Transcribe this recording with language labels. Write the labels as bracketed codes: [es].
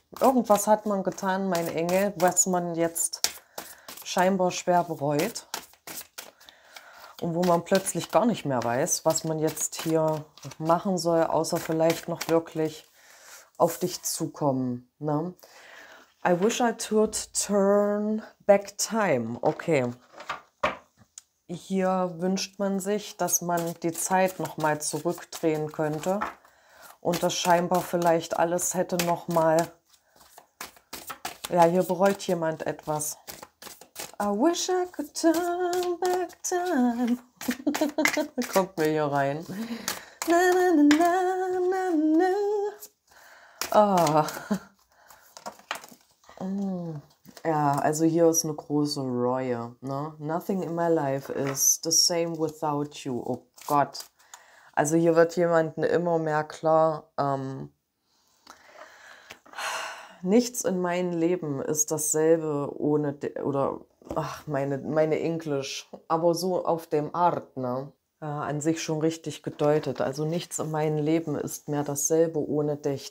[de] Irgendwas hat man getan, mein Engel, was man jetzt scheinbar schwer bereut. Und wo man plötzlich gar nicht mehr weiß, was man jetzt hier machen soll, außer vielleicht noch wirklich auf dich zukommen. Ne? [en] I wish I could turn back time. [de] Okay. Hier wünscht man sich, dass man die Zeit nochmal zurückdrehen könnte und das scheinbar vielleicht alles hätte nochmal, ja, hier bereut jemand etwas. [en] I wish I could turn back time. [de] Kommt mir hier rein. Na, na, na, na, na. Oh. Ja, also hier ist eine große Reue. Ne? [en] Nothing in my life is the same without you. [de] Oh Gott. Also hier wird jemandem immer mehr klar, nichts in meinem Leben ist dasselbe ohne, meine Englisch, aber so auf dem Art, ne? An sich schon richtig gedeutet. Also nichts in meinem Leben ist mehr dasselbe ohne dich.